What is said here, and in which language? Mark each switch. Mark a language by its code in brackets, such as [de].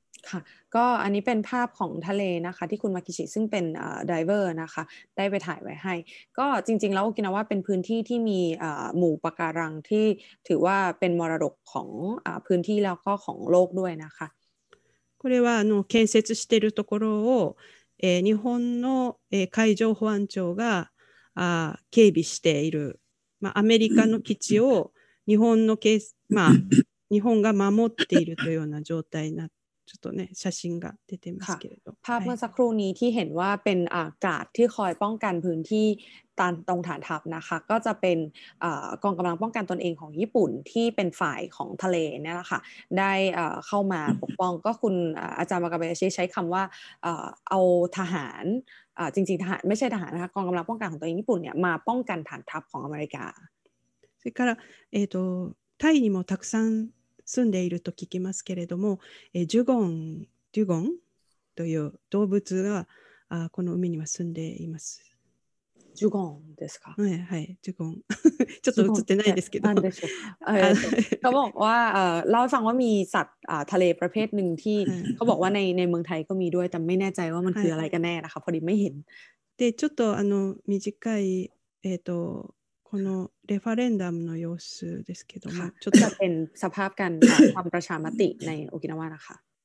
[th] ค่ะก็อันนี้เป็นภาพของทะเลนะคะที่คุณมาคิชิซึ่งเป็นดิเวอร์นะคะได้ไปถ่ายไว้ให้ก็จริงๆแล้วโอกินาวาเป็นพื้นที่ที่มีหมู่ปะการังที่ถือว่าเป็นมรดกของพื้นที่แล้วก็ของโลกด้วยนะคะ [ja] これはあの建設しているところを日本の海上保安庁が警備している、まあアメリカの基地を日本の警まあ日本が守っているというような状態なちょっとね写真が出てますけれど。 [th] ภาพเมื่อสักครู่นี้ที่เห็นว่าเป็นกาดที่คอยป้องกันพื้นที่ตันตรงฐานทัพนะคะก็จะเป็นกองกำลังป้องกันตนเองของญี่ปุ่นที่เป็นฝ่ายของทะเลเนี่ยแหละค่ะได้เข้ามาปกป้องก็คุณอาจารย์วากาบายาชิใช้คำว่าเอาทหารจริงๆทหารไม่ใช่ทหารนะคะกองกำลังป้องกันของตัวเองญี่ปุ่นเนี่ยมาป้องกันฐานทัพของอเมริกา [ja] それから、タイにもたくさん住んでいると聞きますけれども、ジュゴン、デュゴンという動物がこの海には住んでいます。ジュゴンですか？はい、はい、ジュゴン。ちょっと映ってないですけど。何でしょう？ [th] เขาบอกว่าเล่าให้ฟังว่ามีสัตว์ทะเลประเภทหนึ่งที่เขาบอกว่าในเมืองไทยก็มีด้วยแต่ไม่แน่ใจว่ามันคืออะไรกันแน่นะคะพอดีไม่เห็น。 [ja] で、ちょっとあの短いこのレファレンダムの様子ですけども、ちょっとサパープ感、サパープラシャマティ、ない沖縄だか。